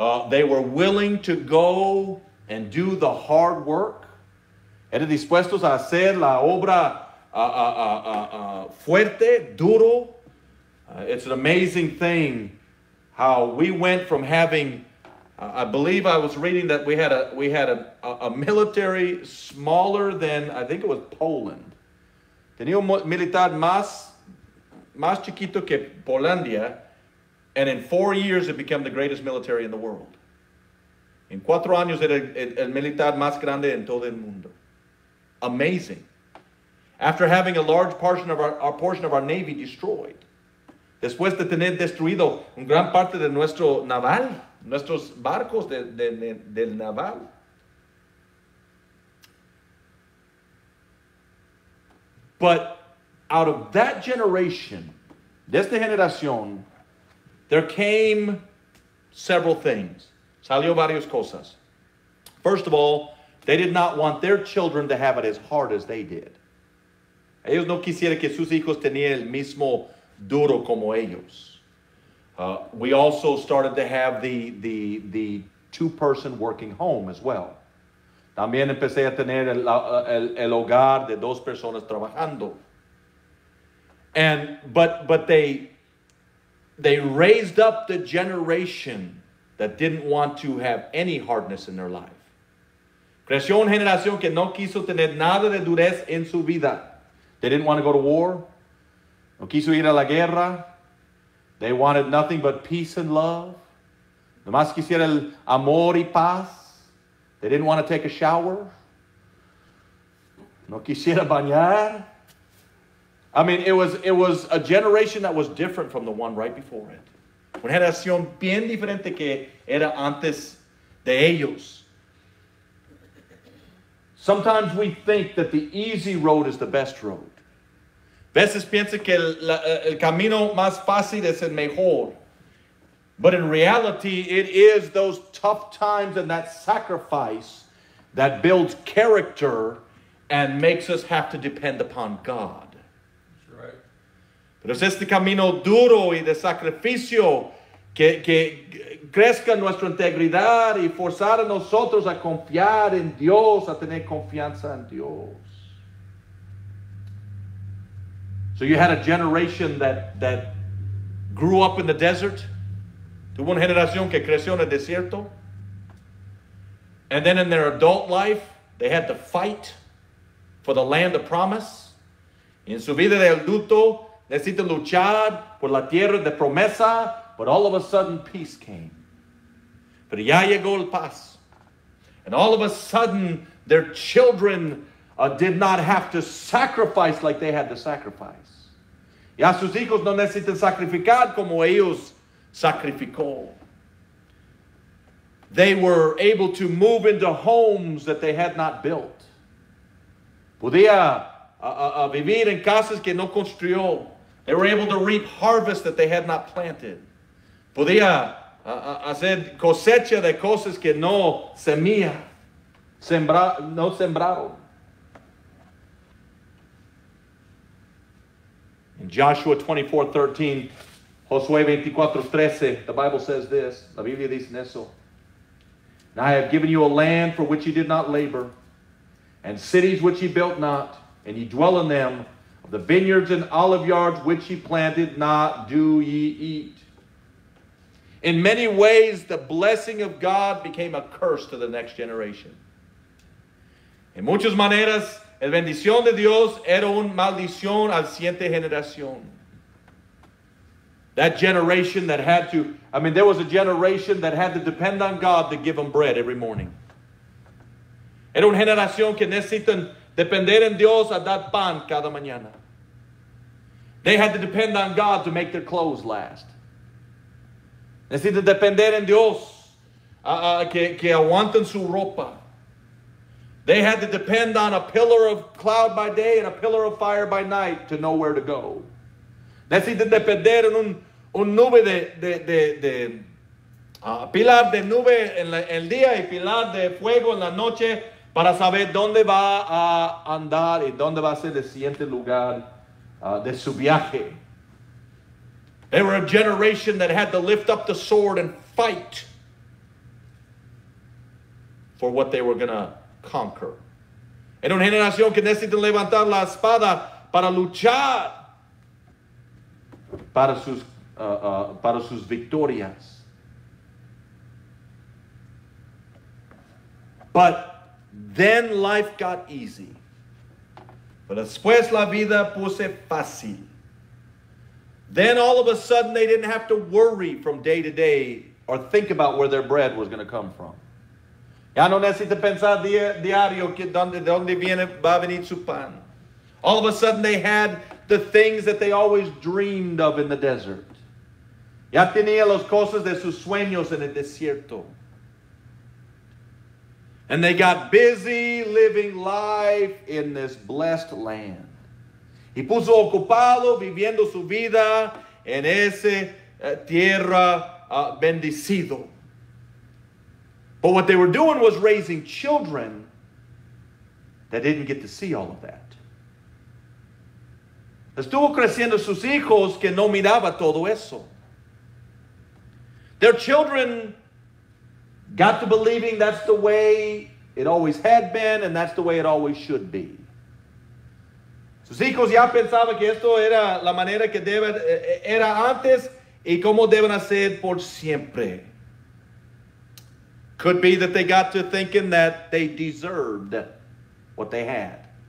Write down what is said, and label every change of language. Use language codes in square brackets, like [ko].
[en] They were willing to go and do the hard work. [es] Eran dispuestos a hacer la obra fuerte, duro. [en] It's an amazing thing how we went from having, I believe I was reading that we had a military smaller than, I think it was Poland. [es] Tenía un militar más chiquito que Polandia. [en] And in 4 years, it became the greatest military in the world. [es] En 4 años, era el militar más grande en todo el mundo. [en] Amazing. After having a large portion of our portion of our navy destroyed. [es] Después de tener destruido un gran parte de nuestro naval, nuestros barcos del naval. [en] But out of that generation, [es] de esta generación, [en] there came several things. [es] Salió varias cosas. [en] First of all, they did not want their children to have it as hard as they did. [es] Ellos no quisieran que sus hijos tenían el mismo duro como ellos. [en] We also started to have the two-person working home as well. [es] También empecé a tener el hogar de dos personas trabajando. [en] But they raised up the generation that didn't want to have any hardness in their life. [es] Creció una generación que no quiso tener nada de durez en su vida. [en] They didn't want to go to war. [es] No quiso ir a la guerra. [en] They wanted nothing but peace and love. [es] Nomás quisiera el amor y paz. [en] They didn't want to take a shower. [es] No quisiera bañar. [en] I mean, it was a generation that was different from the one right before it. [es] Una generación bien diferente que era antes de ellos. [en] Sometimes we think that the easy road is the best road. [es] Veces piensa que el camino más fácil es el mejor. [en] But in reality, it is those tough times and that sacrifice that builds character and makes us have to depend upon God. [es] Pero es este camino duro y de sacrificio que crezca nuestra integridad y forzar a nosotros a confiar en Dios, a tener confianza en Dios. [en] So you had a generation that grew up in the desert. [es] Tuvo una generación que creció en el desierto. [en] And then in their adult life, they had to fight for the land of promise. [es] En su vida de adulto, necesitan luchar por la tierra de promesa, [en] but all of a sudden peace came. [es] Pero ya llegó el paz. [en] And all of a sudden their children did not have to sacrifice like they had to sacrifice. [es] Y a sus hijos no necesitan sacrificar como ellos sacrificó. [en] They were able to move into homes that they had not built. [es] Podía vivir en casas que no construyó. [en] They were able to reap harvest that they had not planted. [es] Podía hacer cosecha de cosas que no semía. No sembraron. [en] In Joshua 24:13, Josué 24:13, the Bible says this. [es] La Biblia dice eso. [en] And I have given you a land for which you did not labor, and cities which you built not, and ye dwell in them. Of the vineyards and olive yards which ye planted not, do ye eat. In many ways, the blessing of God became a curse to the next generation. [es] En muchas maneras, el bendición de Dios era una maldición al siguiente generación. [en] That generation that had to, I mean, there was a generation that had to depend on God to give them bread every morning. [es] Era una generación que necesitan depender en Dios a dar pan cada mañana. [en] They had to depend on God to make their clothes last. [es] Necesitan depender en Dios que aguanten su ropa. [en] They had to depend on a pillar of cloud by day and a pillar of fire by night to know where to go. [es] Necesitan depender en un nube de pilar de nube en el día y pilar de fuego en la noche para saber dónde va a andar y dónde va a ser el siguiente lugar de su viaje. [en] They were a generation that had to lift up the sword and fight for what they were going to conquer. [es] Era una generación que necesita levantar la espada para luchar para sus victorias. [en] But then life got easy. [es] Pero después la vida puse fácil. [en] Then all of a sudden they didn't have to worry from day to day or think about where their bread was going to come from. [es] Ya no necesita pensar diario que dónde viene va a venir su pan. [en] All of a sudden they had the things that they always dreamed of in the desert. [es] Ya tenía las cosas de sus sueños en el desierto. [en] And they got busy living life in this blessed land. [es] Y puso ocupado viviendo su vida en ese tierra bendecido. [en] But what they were doing was raising children that didn't get to see all of that. [es] Estuvo creciendo sus hijos que no miraba todo eso. [en] Their children got to believing that's the way it always had been and that's the way it always should be. [es] Sus hijos ya pensaban que esto era la manera que debe, era antes y como deben hacer por siempre. [en] Could be that they got to thinking that they deserved what they had.